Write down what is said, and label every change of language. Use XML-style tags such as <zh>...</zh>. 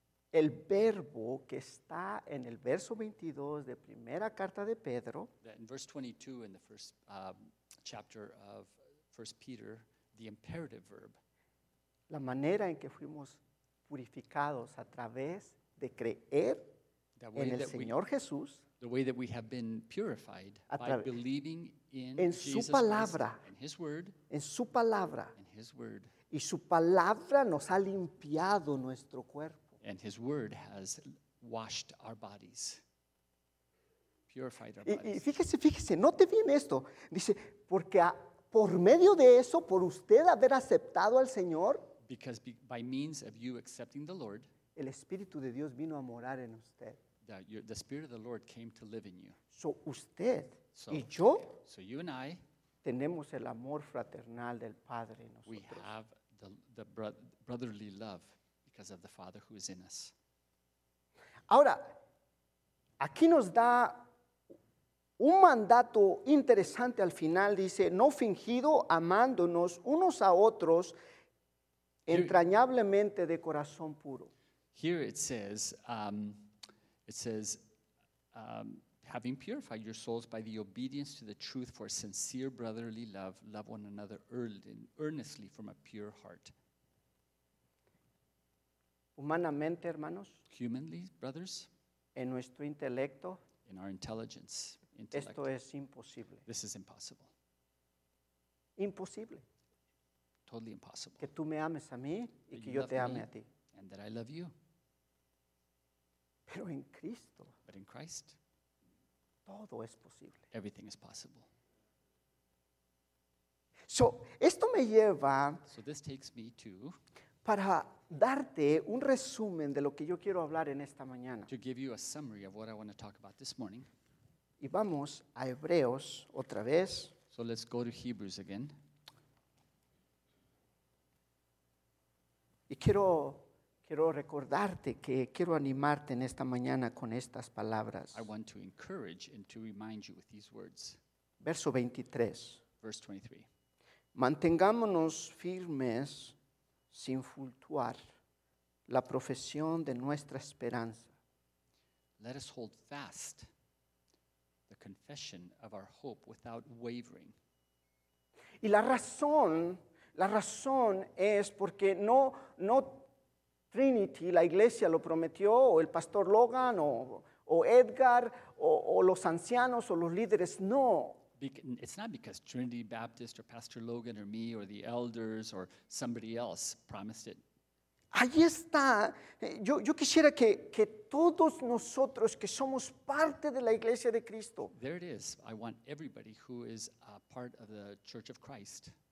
<es>El verbo que está en el verso 22 de primera carta de Pedro.</es> <en>In verse 22 in the first chapter of 1 Peter, the imperative verb.</en> <es>La manera en que fuimos purificados a través de creer en el Señor Jesús.</es> <en>The way that we have been purified by believing in</en> <es>en Jesus su palabra,</es> <en>Christ and his word,</en> <es>en su palabra.</es> <en>In his word.</en> <es>Y su palabra nos ha limpiado nuestro cuerpo.</es> <en>And his word has washed our bodies. Purified our bodies.</en> <es>Y fíjese, note bien esto. Dice, porque por medio de eso, por usted haber aceptado al Señor.</es> <en>Because by means of you accepting the Lord,</en> <es>el Espíritu de Dios vino a morar en usted.</es> <en>The Spirit of the Lord came to live in you.</en> <es>So usted y yo,</es> <en>so you and I,</en> <es>tenemos el amor fraternal del Padre en nosotros.</es> <en>We have the brotherly love because of the Father who is in us.</en> <es>Ahora, aquí nos da Un mandato interesante al final dice, no fingido, amándonos unos a otros, entrañablemente de corazón puro.</es> <en>Here it says, having purified your souls by the obedience to the truth for sincere brotherly love, love one another earnestly from a pure heart.</en> <es>Humanamente, hermanos.</es> <en>Humanly, brothers.</en> <es>En nuestro intelecto.</es> <en>In our intelligence.</en> <es>Esto es imposible.</es> <en>This is impossible.</en> <es>Imposible.</es> <en>Totally impossible.</en> <es>Que tú me ames a mí y que yo te ame a ti.</es> <en>And that I love you.</en> <es>Pero en Cristo.</es> <en>But in Christ.</en> <es>Todo es posible.</es> <en>Everything is possible.</en> <es>So, esto me lleva.</es> <en>So this takes me to.</en> <es>Para darte un resumen de lo que yo quiero hablar en esta mañana.</es> <en>To give you a summary of what I want to talk about this morning.</en> <es>Y vamos a Hebreos otra vez.</es> <en>So let's go to Hebrews again.</en> <es>Y quiero recordarte que quiero animarte en esta mañana con estas palabras.</es> <en>I want to encourage and to remind you with these words.</en> <es>Verso 23.</es> <en>Verse 23.</en> <es>Mantengámonos firmes sin fluctuar la profesión de nuestra esperanza.</es> <en>Let us hold fast the confession of our hope without wavering.</en> <es>Y la razón es porque no Trinity, la iglesia lo prometió, o el pastor Logan, o Edgar, o los ancianos, o los líderes, no.</es> <en>It's not because Trinity Baptist or Pastor Logan or me or the elders or somebody else promised it.</en> <es>Ahí está. Yo quisiera que todos nosotros que somos parte de la Iglesia de Cristo.</es> <en>There it is. I want everybody who is a part of the Church of Christ.</en>